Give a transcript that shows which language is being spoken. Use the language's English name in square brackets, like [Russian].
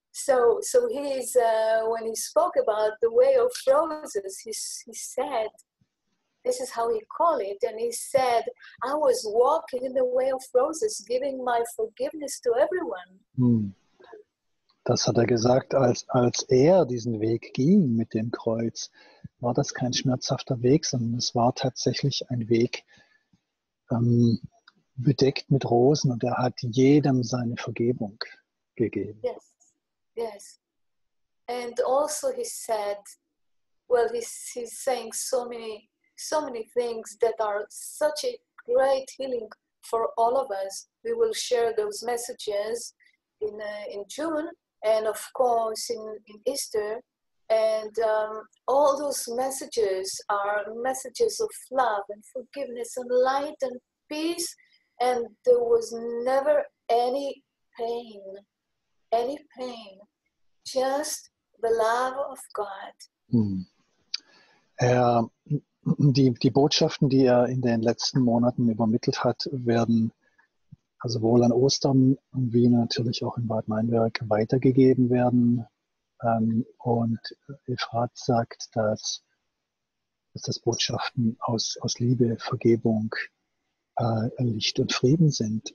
[English] So he is, when he spoke about the way of roses, he said, this is how he called it, and he said, I was walking in the way of roses, giving my forgiveness to everyone. [German] Das hat er gesagt, als er diesen Weg ging mit dem Kreuz, war das kein schmerzhafter Weg, sondern es war tatsächlich ein Weg bedeckt mit Rosen und er hat jedem seine Vergebung gegeben. [English] Yes, yes. And also he said, well, he's saying so many things that are such a great healing for all of us. We will share those messages in June. And of course, in Easter, and all those messages are messages of love and forgiveness and light and peace. And there was never any pain, just the love of God. [German] Die Botschaften, die er in den letzten Monaten übermittelt hat, werden sowohl an Ostern wie natürlich auch in Bad Meinberg weitergegeben werden. Und Efrat sagt, dass das Botschaften aus Liebe, Vergebung, Licht und Frieden sind.